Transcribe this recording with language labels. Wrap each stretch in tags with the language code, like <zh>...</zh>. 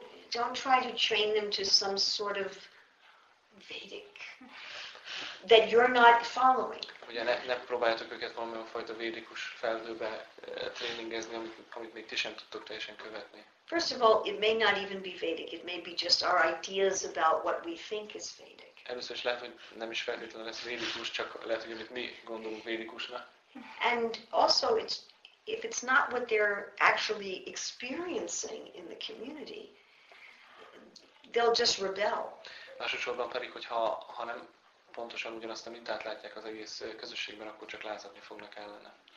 <en>Don't try to train them to some sort of Vedic that you're not following.</en> <hu>Ugye ne próbáljátok őket valami fajta védikus felnőbe tréningezni, amit még ti sem tudtok teljesen követni.</hu> <en>First of all, it may not even be Vedic. It may be just our ideas about what we think is Vedic.</en> <hu>Először is lehet, hogy nem is feltétlenül lesz védikus, csak lehet, hogy amit mi gondolunk védikusnak.</hu> <en>And also, if it's not what they're actually experiencing in the community, they'll just rebel.</en> <hu>Másodszorban pedig, hogyha nem pontosan ugyanazt a mintát látják az egész közösségben, akkor csak lázadni fognak ellene.</hu>